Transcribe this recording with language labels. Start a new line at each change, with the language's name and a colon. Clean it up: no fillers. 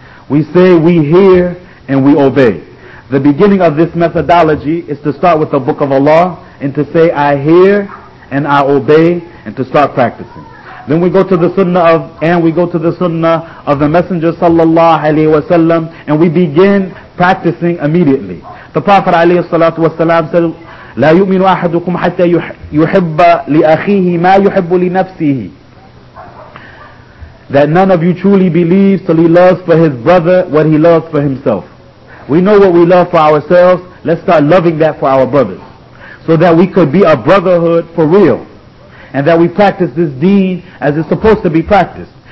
English: We say, we hear and we obey. The beginning of this methodology is to start with the Book of Allah and to say, I hear and I obey, and to start practicing. Then we go to the Sunnah of, and we go to the Sunnah of the Messenger sallallahu alaihi wasallam, and we begin practicing immediately. The Prophet alayhi salatu wasalam said,
Arabic: لا يؤمن أحدكم حتى يحب لأخيه ما يحب لنفسه.
English: That none of you truly believes till he loves for his brother what he loves for himself. We know what we love for ourselves. Let's start loving that for our brothers, so that we could be a brotherhood for real, and that we practice this deen as it's supposed to be practiced.